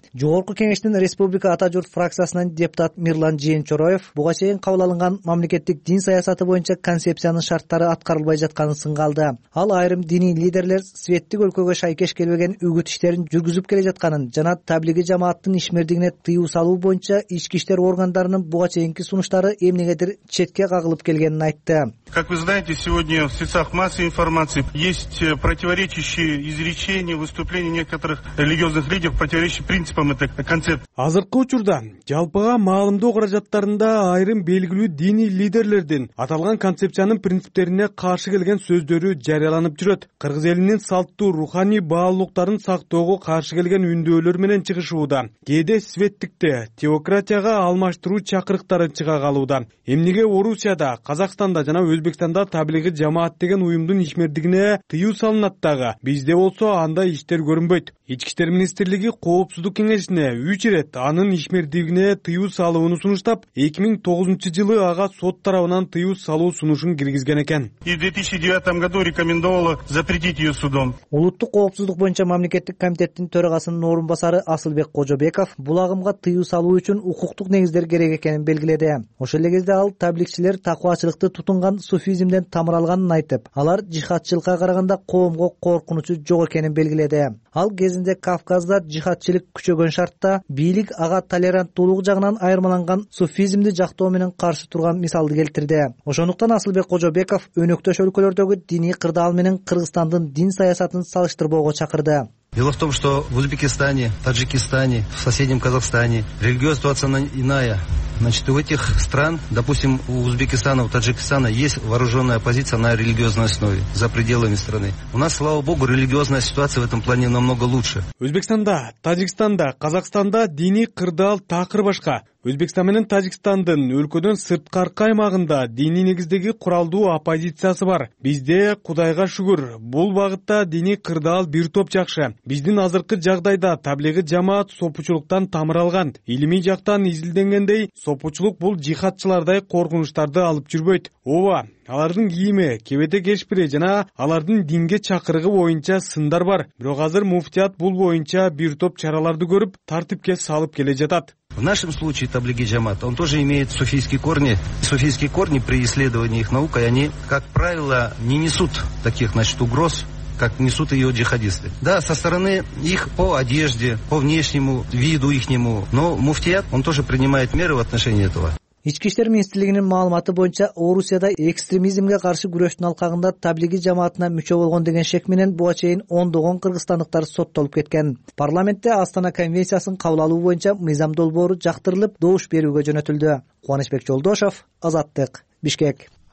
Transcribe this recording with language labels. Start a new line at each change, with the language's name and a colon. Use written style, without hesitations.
Kyrgyz: Жогорку кеңештин Республика Атажурт фракциясынан депутат Мирлан Жээнчороев буга чейин кабыл алынган мамлекеттик дин саясаты боюнча концепциянын шарттары аткарылбай жатканын сынга алды. Ал айрым диний лидерлер светтик өлкөгө шайкеш келбеген үгүт иштерин жүргүзүп келе жатканын жана таблиги жамааттын ишмердигине тыюу салуу боюнча ички иштер органдарынын буга чейинки сунуштары эмнегедир четке кагылып келгенин айтты.
Russian: Как вы знаете, сегодня в средствах массовой информации есть противоречащие изречения, выступления некоторых религиозных лидеров, противоречащие принципам этой концепции.
Kyrgyz: Азыркы учурда жалпыга маалымдоо каражаттарында айрым белгилүү диний лидерлердин аталган концепциянын принциптерине каршы келген сөздөрү жарыяланып жүрөт. Кыргыз элинин салттуу руханий баалуулуктарын сактоого каршы келген үндөөлөр менен чыгышууда. Кээде светтикти теократияга алмаштыруу чакырыктары чыга калууда. Эмнеге Орусияда, Казакстанда жана Өзбекстанда таблиги жамаат деген уюмдун ишмердигине тыюу салынат дагы. Бизде болсо анда иштер көрүнбөйт. Ички иштер министрлиги коопсуздук кеңешине 3 ирет анын ишмердигине тыюу салууну сунуштап, 2009 жылы ага сот тарабынан тыюу салуу сунушун киргизген экен.
Russian: И в 2009 году рекомендовала запретить ее судом.
Kyrgyz: Улуттук коопсуздук боюнча мамлекеттик комитеттин төрагасынын орун басары Асылбек Кожобеков бул агымга тыюу салуу үчүн укуктук негиздер керек экенин белгиледи. Ошол эле кезде ал табликчилер такваачылыкты тутунган суфизмден тамыр алганын айтып, алар жихатчылыкка караганда коомго коркунучу жок экенин белгиледи. Ал кезинде Кавказда жихатчылык күчөгөн шартта бийлик ага толугу жагынан айырмаланган суфизмди жактоо менен каршы турган мисалды келтирди. Ошондуктан Асылбек Кожобеков өнөктөш өлкөлөрдөгү диний кырдаал менен Кыргызстандын дин саясатын салыштырбоого чакырды.
Russian: Дело в том, что в Узбекистане, Таджикистане, в соседнем Казахстане религиозная ситуация иная. Значит, у этих стран, допустим, у Узбекистана, у Таджикистана есть вооруженная оппозиция на религиозной основе, за пределами страны. У нас, слава богу, религиозная ситуация в этом плане намного лучше.
Kyrgyz: Узбекистанда, Таджикистанда, Казахстанда диний кырдаал такыр башка. Өзбекстан менен Таджикстандын өлкөдөн сырткаркы аймагында диний негиздеги куралдуу оппозициясы бар. Бизде, Кудайга шүгүр, бул багытта диний кырдаал бир топ жакшы. Биздин азыркы жагдайда таблиги жамаат сопучулуктан тамыр алган. Илимий жактан изилденгендей, сопучулук бул жихатчылардай коркунучтарды алып жүрбөйт. Ооба, алардын кийими, кебете кеч бири жана алардын динге чакырыгы боюнча сындар бар. Бирок азыр муфтият бул боюнча бир топ чараларды көрүп, тартипке салып келе жатат.
Russian: В нашем случае таблиги джамат, он тоже имеет суфийские корни. Суфийские корни при исследовании их наукой, они, как правило, не несут таких, значит, угроз, как несут ее джихадисты. Да, со стороны их по одежде, по внешнему виду ихнему, но муфтият, он тоже принимает меры в отношении этого.
Kyrgyz: Ички иштер министрлигинин маалыматы боюнча Орусияда экстремизмге каршы күрөштүн алкагында таблиги жамаатына мүчө болгон деген шек менен буга чейин ондогон кыргызстандыктар соттолуп кеткен. Парламентте Астана конвенциясын кабыл алуу боюнча мыйзам долбоору жактырылып, добуш берүүгө жөнөтүлдү. Кубанычбек Жолдошов, Азаттык, Бишкек.